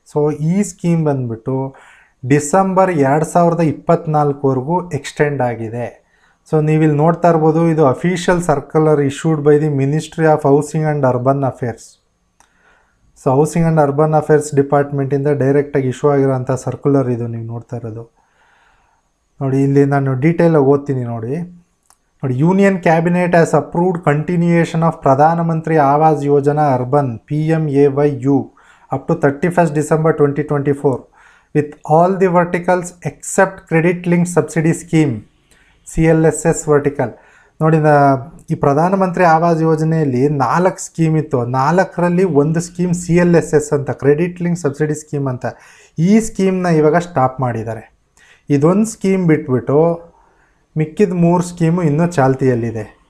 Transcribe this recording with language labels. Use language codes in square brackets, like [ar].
[kn] So ಈ scheme ಬಂದುಬಿಟ್ಟು 2024 extend ಆಗಿದೆ. ಸೊ ನೀವಿಲ್ಲಿ ನೋಡ್ತಾ ಇರ್ಬೋದು, ಇದು [en] Official circular issued by the ministry of housing and urban affairs. [kn] So housing and urban affairs ಡಿಪಾರ್ಟ್ಮೆಂಟಿಂದ ಡೈರೆಕ್ಟಾಗಿ ಇಶ್ಯೂ ಆಗಿರೋಂಥ ಸರ್ಕ್ಯುಲರ್ ಇದು, ನೀವು ನೋಡ್ತಾ ಇರೋದು. ನೋಡಿ, ಇಲ್ಲಿ ನಾನು ಡೀಟೇಲಾಗಿ ಓದ್ತೀನಿ ನೋಡಿ. ನೋಡಿ, [en] Union cabinet has approved continuation of Pradhan Mantri Awas Yojana urban PMAY U up to 31st December 2024 with all the verticals except credit link subsidy scheme CLSS vertical. [kn] ನೋಡಿ, ಈ ಪ್ರಧಾನ ಮಂತ್ರಿ ಆವಾಸ್ ಯೋಜನೆಯಲ್ಲಿ 4 ಸ್ಕೀಮ್ ಇತ್ತು. 4 ಒಂದು ಸ್ಕೀಮ್ CLSS ಅಂತ, ಕ್ರೆಡಿಟ್ ಲಿಂಕ್ ಸಬ್ಸಿಡಿ ಸ್ಕೀಮ್ ಅಂತ. ಈ ಸ್ಕೀಮ್ನ ಇವಾಗ stop ಮಾಡಿದ್ದಾರೆ. ಇದೊಂದು ಸ್ಕೀಮ್ ಬಿಟ್ಬಿಟ್ಟು ಮಿಕ್ಕಿದ 3 ಸ್ಕೀಮು ಇನ್ನೂ ಚಾಲ್ತಿಯಲ್ಲಿದೆ.